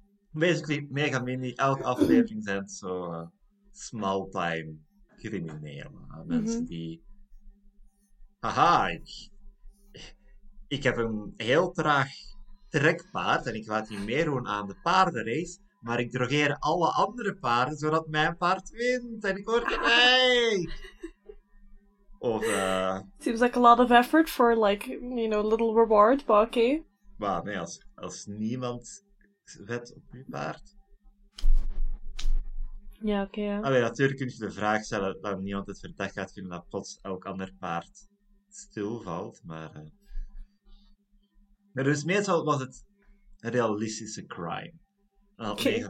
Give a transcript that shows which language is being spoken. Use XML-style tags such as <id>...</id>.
<nl>Basically, Megamindy, elke aflevering zijn zo small-time criminelen. Mensen die... Haha, ik heb een heel traag trekpaard en ik laat die meedoen aan de paardenrace, maar ik drogeer alle andere paarden zodat mijn paard wint en ik word gelijk. Of,</nl> <en>Seems like a lot of effort for, like, you know, a little reward, but okay.</en> <nl>Maar nee, als niemand wet op je paard. Ja, oké, okay, ja. Allee, natuurlijk kun je de vraag stellen dat niemand het verdacht gaat vinden dat plots elk ander paard stilvalt, maar... Maar dus meestal was het een realistische crime. Dan had okay.</nl>